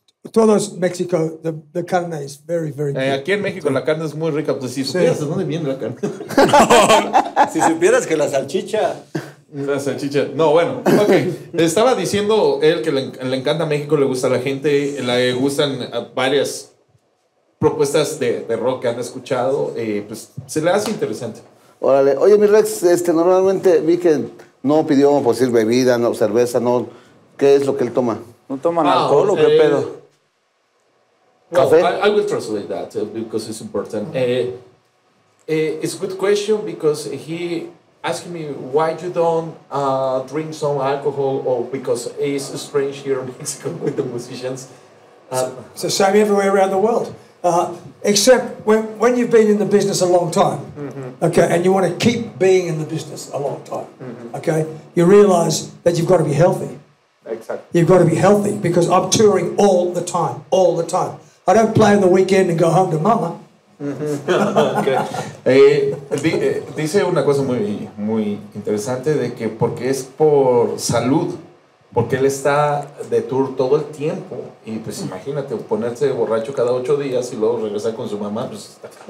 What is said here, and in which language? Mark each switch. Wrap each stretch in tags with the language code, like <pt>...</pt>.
<es>Todos México,</es> <en>the carne is very, very good.</en> <es>Aquí en México la carne es muy rica. Pues si supieras, ¿de dónde viene la carne? Si supieras que la salchicha. La salchicha. No, bueno. Okay. Estaba diciendo él que le encanta México, le gusta a la gente, le gustan varias propuestas de rock que han escuchado. Pues se le hace interesante. Órale. Oye, mi Rex, normalmente vi que no pidió, por decir, bebida, no, cerveza, no. ¿Qué es lo que él toma? ¿No toman alcohol o qué pedo?</es> <en>No, I will translate that because it's important. It's a good question because he asked me why you don't drink some alcohol or because it's strange here in Mexico with the musicians. So same everywhere around the world. Except when you've been in the business a long time, mm-hmm. Okay, and you want to keep being in the business a long time, mm-hmm. Okay, you realize that you've got to be healthy. Exactly. You've got to be healthy because I'm touring all the time, all the time. I don't play on the weekend and go home to mama. Okay.</en> <es>Dice una cosa muy, muy interesante de que porque es por salud Porque él está de tour todo el tiempo. Y pues imagínate, ponerse borracho cada 8 días y luego regresar con su mamá, pues está.</es>